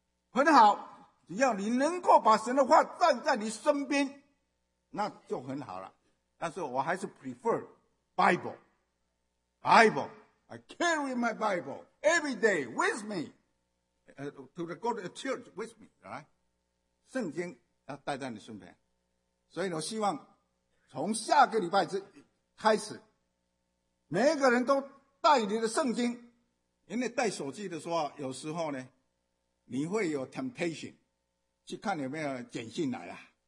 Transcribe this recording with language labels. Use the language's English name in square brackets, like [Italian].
[Chinese] 很好，只要你能够把神的话站在你身边，那就很好了。但是我还是 [English] prefer Bible. I carry my Bible every day with me, to the go to the church with me, right? [Chinese] 圣经要带在你身边。所以我希望从下个礼拜开始，每一个人都带你的圣经，因为带手机的时候，有时候呢，你会有 temptation 去看有没有简讯来啊。